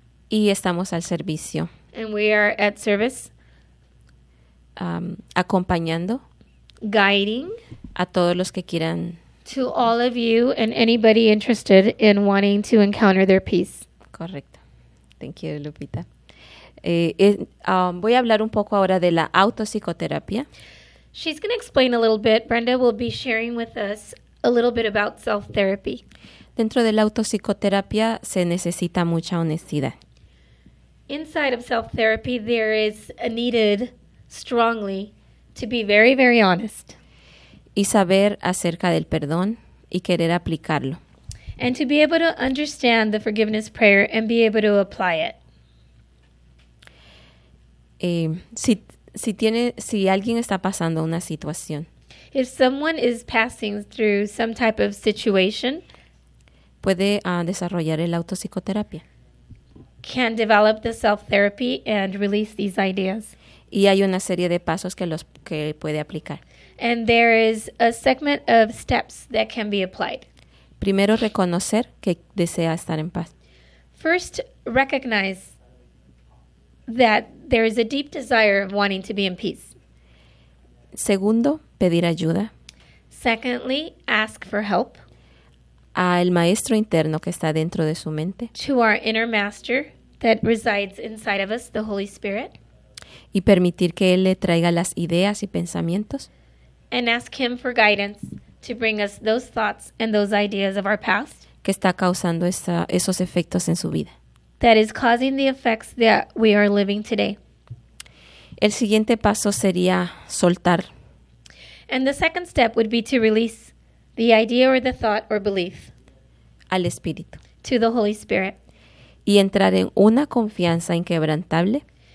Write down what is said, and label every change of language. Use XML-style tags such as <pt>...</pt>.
<es>Y estamos al servicio.</es> <en>And we are at service.</en> <es>Acompañando.</es> <en>Guiding.</en> <es>A todos los que quieran.</es> <en>To all of you and anybody interested in wanting to encounter their peace.</en> <es>Correcto.</es> <en>Thank you, Lupita.</en> <es>Voy a hablar un poco ahora de la autopsicoterapia.</es> <en>She's going to explain a little bit. Brenda will be sharing with us a little bit about self-therapy.</en> <es>Dentro de la autopsicoterapia se necesita mucha honestidad.</es> <en>Inside of self-therapy, there is a needed strongly to be very, very honest.</en> <es>Y saber acerca del perdón y querer aplicarlo.</es> <en>And to be able to understand the forgiveness prayer and be able to apply it.</en> <es>Si alguien está pasando una situación.</es> <en>If someone is passing through some type of situation.</en> <es>Puede desarrollar el autopsicoterapia.</es> <en>Can develop the self-therapy and release these ideas.</en> <es>Y hay una serie de pasos que puede aplicar.</es> <en>And there is a segment of steps that can be applied.</en> <es>Primero, reconocer que desea estar en paz.</es> <en>First, recognize that there is a deep desire of wanting to be in peace.</en> <es>Segundo, pedir ayuda.</es> <en>Secondly, ask for help.</en> <es>Al maestro interno que está dentro de su mente.</es> <en>To our inner master that resides inside of us, the Holy Spirit.</en> <es>Y permitir que él le traiga las ideas y pensamientos.</es> <en>And ask him for guidance to bring us those thoughts and those ideas of our past.</en> <es>Que está causando esos efectos en su vida.</es> <en>That is causing the effects that we are living today.</en> <es>El siguiente paso sería soltar.</es> <en>And the second step would be to release the idea or the thought or belief.</en> <es>Al Espíritu.</es> <en>To the Holy Spirit.</en> <es>Y entrar en una confianza inquebrantable.</es>